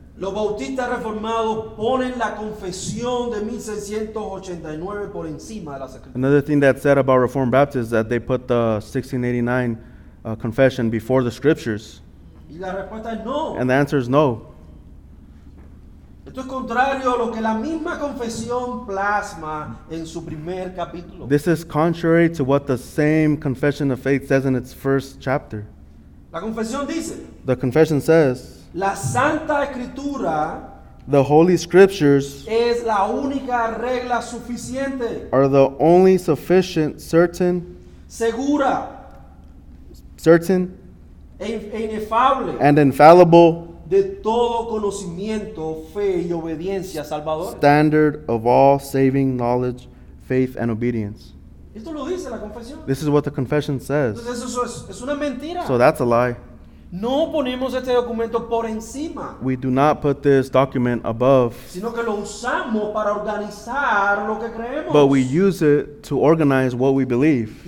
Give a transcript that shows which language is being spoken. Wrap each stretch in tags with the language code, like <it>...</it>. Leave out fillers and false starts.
<es>los bautistas reformados ponen la confesión de 1689 por encima de las escrituras.</es> <en>Another thing that's said about Reformed Baptists is that they put the 1689 confession before the scriptures.</en> <es>Y la respuesta es no.</es> <en>And the answer is no.</en> <es>Esto es contrario a lo que la misma confesión plasma en su primer capítulo.</es> <en>This is contrary to what the same confession of faith says in its first chapter.</en> <es>La confesión dice,</es> <en>the confession says,</en> <es>la Santa Escritura,</es> <en>the Holy Scriptures,</en> <es>es la única regla suficiente,</es> <en>are the only sufficient, certain,</en> <es>segura,</es> <en>certain,</en> <es>e inefable,</es> <en>and infallible,</en> <es>de todo conocimiento, fe y obediencia salvadora,</es> <en>standard of all saving knowledge, faith and obedience.</en> <es>Esto lo dice la confesión.</es> <en>This is what the confession says.</en> <es>Eso es una mentira.</es> <en>So that's a lie.</en> <es>No ponemos este documento por encima.</es> <en>We do not put this document above.</en> <es>Sino que lo usamos para organizar lo que creemos.</es> <en>But we use it to organize what we believe.</en>